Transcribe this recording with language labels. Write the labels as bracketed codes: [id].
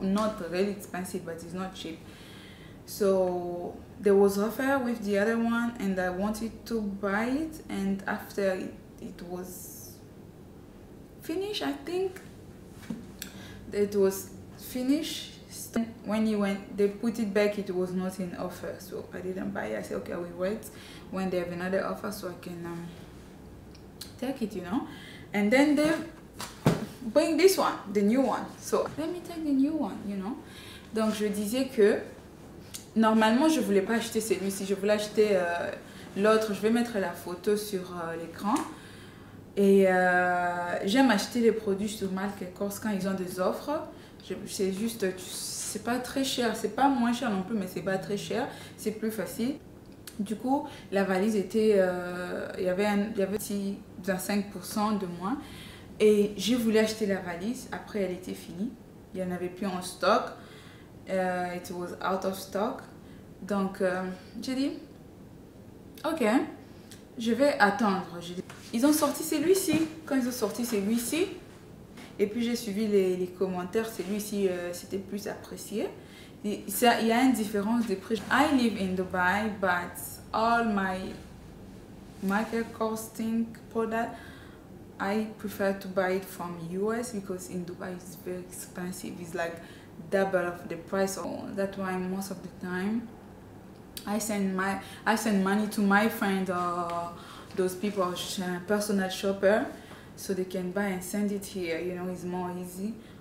[en] Not really expensive, but it's not cheap. So there was offer with the other one and I wanted to buy it, and after it was finished, I think it was finished when you went, they put it back, it was not in offer, so I didn't buy it. I said, okay, I will wait when they have another offer so I can take it, you know. And then they bring this one, the new one, so let me take the new one, you know. [fr] Donc je disais que normalement, je voulais pas acheter celui-ci. Je voulais acheter l'autre. Je vais mettre la photo sur l'écran. Et j'aime acheter les produits sur Michael Kors quand ils ont des offres. C'est juste, c'est pas très cher. C'est pas moins cher non plus, mais c'est pas très cher. C'est plus facile. Du coup, la valise était, il y avait 25% de moins. Et je voulais acheter la valise. Après, elle était finie. Il y en avait plus en stock. [en] It was out of stock. [fr] Donc j'ai dit ok, je vais attendre. Ils ont sorti celui-ci. Quand ils ont sorti celui-ci, et puis j'ai suivi les commentaires, celui-ci c'était plus apprécié. Il y a une différence de prix. [en] I live in Dubai, but all my Michael Kors thing product, I prefer to buy it from US, because in Dubai it's very expensive. It's like double of the price. So that's why most of the time I send money to my friend or those people, personal shopper, so they can buy and send it here, you know. It's more easy.